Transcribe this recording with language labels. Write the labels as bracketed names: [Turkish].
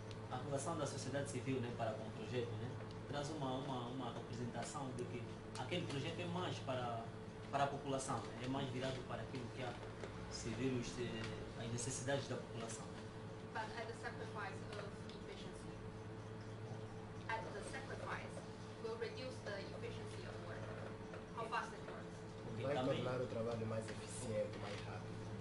[Portuguese] A relação da sociedade civil, né, para com o projeto, né, traz uma representação de que aquele projeto é mais para a população, né, é mais virado para aquilo que é servir as necessidades da população. [English] But at the sacrifice of efficiency. At the sacrifice, will reduce the efficiency of work. How fast it works. [Portuguese] Vai também tornar o trabalho mais eficiente, mais rápido.